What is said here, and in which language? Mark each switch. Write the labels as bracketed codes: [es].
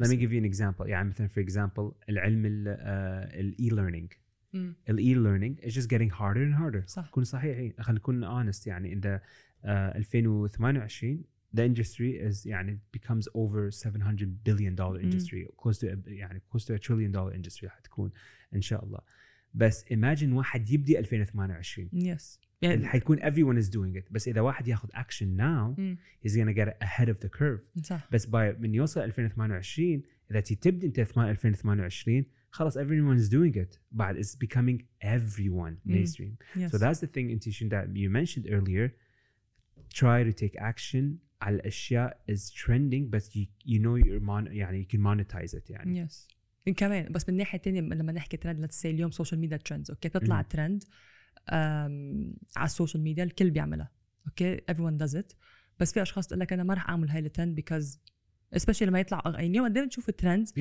[en] Let me give you an example يعني مثلا for example العلم الe-learning الe-learning is just getting harder and harder. [ar] صح. كون صحيح. خلينا نكون [en] honest يعني إذا 2028 the industry is يعني becomes over $700 billion industry close to يعني close to $1 trillion industry [ar] حتكون إن شاء الله. بس imagine واحد يبدي 2028. [en] Yes. يعني حيكون everyone is doing it. [ar] بس إذا واحد يأخذ [en] action now he's gonna get ahead of the curve. [ar] صح. [en] بس by [ar] من يوصل 2028 إذا تبدي أنت 2028 خلاص [en] everyone is doing it but it's becoming everyone mainstream yes. so that's the thing intuition that you mentioned earlier try to take action [ar] على الأشياء [en] is trending but you know you're يعني you can monetize it يعني [ar] yes كمان بس من ناحية تانية لما نحكي ترند let's say اليوم social media trends okay تطلع ترند على social media الكل بيعملها okay [en] everyone does it [ar] بس في أشخاص تقول لك أنا ما رح أعمل هاي الترند because especially لما يطلع اغاني يعني دائما تشوف الترند